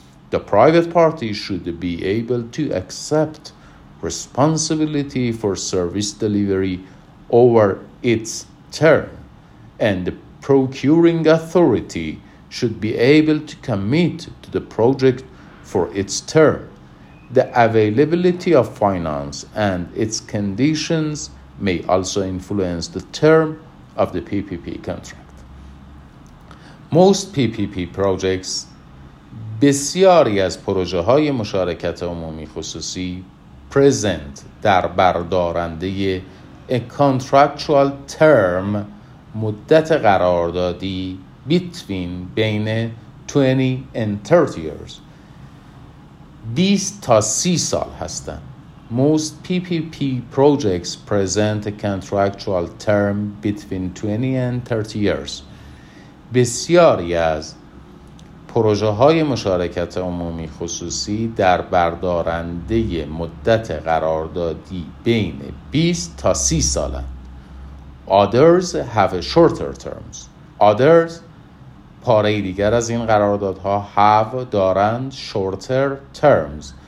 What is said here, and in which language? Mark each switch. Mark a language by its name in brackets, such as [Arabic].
[English] The private party should be able to accept responsibility for service delivery over its term, and the procuring authority should be able to commit to the project for its term. The availability of finance and its conditions may also influence the term of the PPP contract. Most PPP projects, [Persian] بسیاری از پروژه‌های مشارکت عمومی خصوصی [English] present [Persian] در بردارنده [English] a contractual term [Persian] مدت قراردادی [English] between [Persian] بین 20 [English] and 30 years [Persian] 20 تا 30 سال هستند. [English] Most PPP projects present a contractual term between 20 and 30 years. [Persian] بسیاری از پروژه های مشارکت عمومی خصوصی در بردارنده مدت قراردادی بین 20 تا 30 سالند. [English] Others have shorter terms. Others [Persian] پاره دیگر از این قراردادها [English] have [Persian] دارند [English] shorter terms.